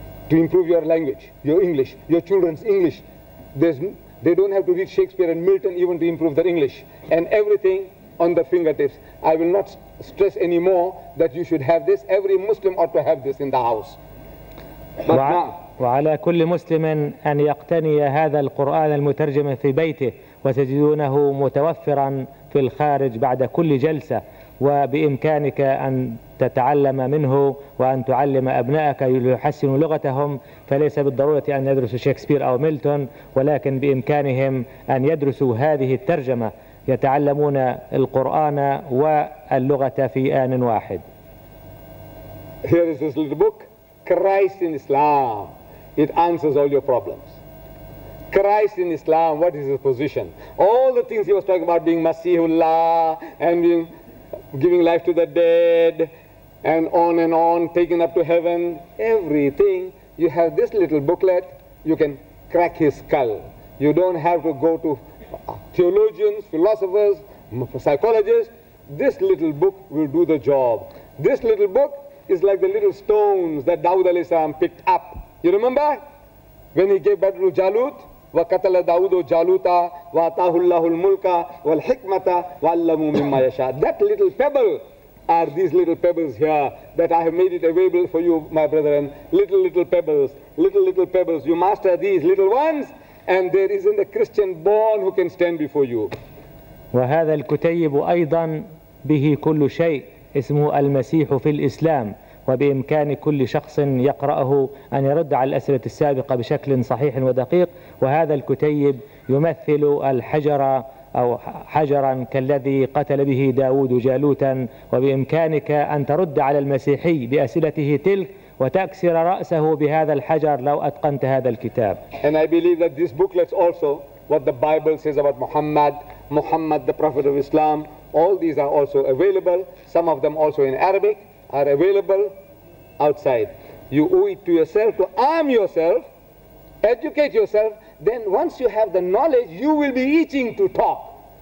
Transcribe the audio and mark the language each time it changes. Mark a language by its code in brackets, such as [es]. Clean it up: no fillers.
[en] To improve your language, your English, your children's English, they don't have to read Shakespeare and Milton even to improve their English. And everything on the fingertips. I will not stress anymore that you should have this. Every Muslim ought to have this in the house. [ar] وعلى كل مسلم أن يقتني هذا القرآن المترجم في بيته، وتجدونه متوفرا في الخارج بعد كل جلسة، وبإمكانك أن تتعلم منه وأن تعلم أبنائك ليحسنوا لغتهم. فليس بالضرورة أن يدرسوا شكسبير أو ميلتون، ولكن بإمكانهم أن يدرسوا هذه الترجمة، يتعلمون القرآن واللغة في آن واحد. [en] Here is this little book, Christ in Islam. It answers all your problems. Christ in Islam, what is his position? All the things he was talking about, being Masihullah and being giving life to the dead and on, taking up to heaven, everything. You have this little booklet, you can crack his skull. You don't have to go to theologians, philosophers, psychologists. This little book will do the job. This little book is like the little stones that Dawud alayhi salam picked up. You remember? When he gave battle to Jalut, [ar] وَقَتَلَ دَاوُدُ جَالُوتَ وَآتَاهُ اللَّهُ الْمُلْكَ وَالْحِكْمَةَ وَعَلَّمُوا مِمَّا يَشَاءُ. [en] That little pebble are these little pebbles here that I have made it available for you, my brethren. Little pebbles, little pebbles. You master these little ones and there isn't a Christian born who can stand before you. [ar] وهذا الكتيب أيضا به كل شيء، اسمه المسيح في الإسلام، وبإمكان كل شخص يقرأه أن يرد على الأسئلة السابقة بشكل صحيح ودقيق. وهذا الكتيب يمثل الحجر أو حجرا كالذي قتل به داود جالوتا، وبإمكانك أن ترد على المسيحي بأسئلته تلك وتكسر رأسه بهذا الحجر لو أتقنت هذا الكتاب. [en] And I believe that this booklet also what the Bible says about Muhammad the prophet of Islam, all these are also available, some of them also in Arabic are available outside. You owe it to yourself to arm yourself, educate yourself, then once you have the knowledge, you will be itching to talk.